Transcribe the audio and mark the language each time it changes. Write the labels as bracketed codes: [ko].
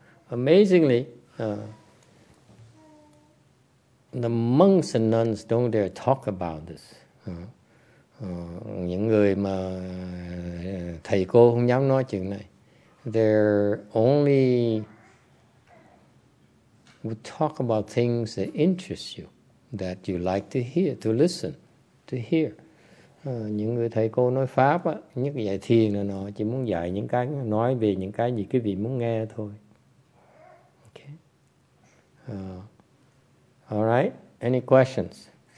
[en] Amazingly, the monks and nuns don't dare talk about this. [vi] Những người mà thầy cô không dám nói chuyện này. [en] They're only would talk about things that interest you, that you like to hear, to listen, to hear. [vi] Những người thầy cô nói Pháp á, nhất dạy thiền là nó chỉ muốn dạy những cái, nói về những cái gì quý vị muốn nghe thôi. Okay. [en] All right, any questions?